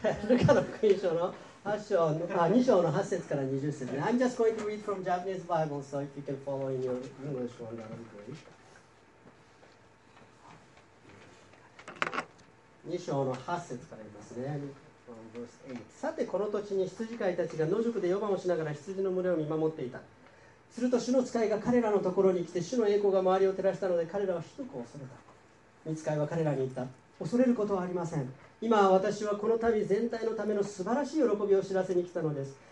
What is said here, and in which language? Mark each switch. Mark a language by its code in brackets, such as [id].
[ja] ルカの福音書の2章の8節から20節ね。 [en] I'm just going to read from Japanese Bible, so if you can follow in your English one, that'll be great. [ja] 2章の8節から言いますね。さて、この土地に羊飼いたちが野宿で夜番をしながら羊の群れを見守っていた。すると主の使いが彼らのところに来て、主の栄光が周りを照らしたので彼らはひどく恐れた。御使いは彼らに言った。恐れることはありません。今私はこの民全体のための素晴らしい喜びを知らせに来たのです。